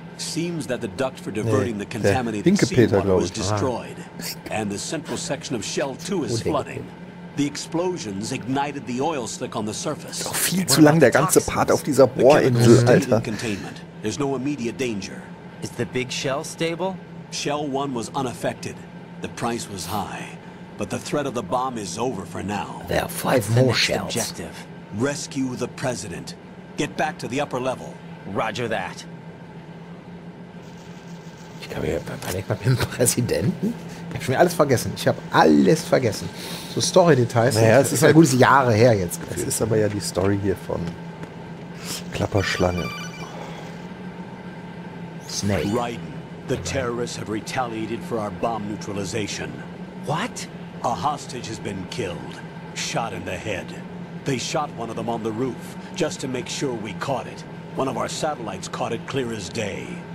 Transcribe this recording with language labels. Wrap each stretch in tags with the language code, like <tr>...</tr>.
<en>Seems that the duct for diverting the contaminated seawater was destroyed. And the central section of Shell 2 is flooding. The explosions ignited the oil slick on the surface.</en> <de>Doch viel zu lang der ganze Part auf dieser Bohrinsel, Alter.</de> <en>There's no immediate danger. Is the big shell stable? Shell 1 was unaffected. The price was high. But the threat of the bomb is over for now. There are five more shells. Objective. Rescue the president. Get back to the upper level. Roger that.</en> <de>kann mir, war ich mal mit dem Präsidenten? Ich habe schon alles vergessen. Ich habe alles vergessen. So Story-Details. Naja, es ist ein gutes Jahre her jetzt. Es ist aber ja die Story hier von Klapperschlange.</de> <en>Snake. Raiden, the terrorists have retaliated for our bomb neutralization. What? A hostage has been killed. Shot in the head. They shot one of them on the roof, just to make sure we caught it. One of our satellites caught it clear as day.</en>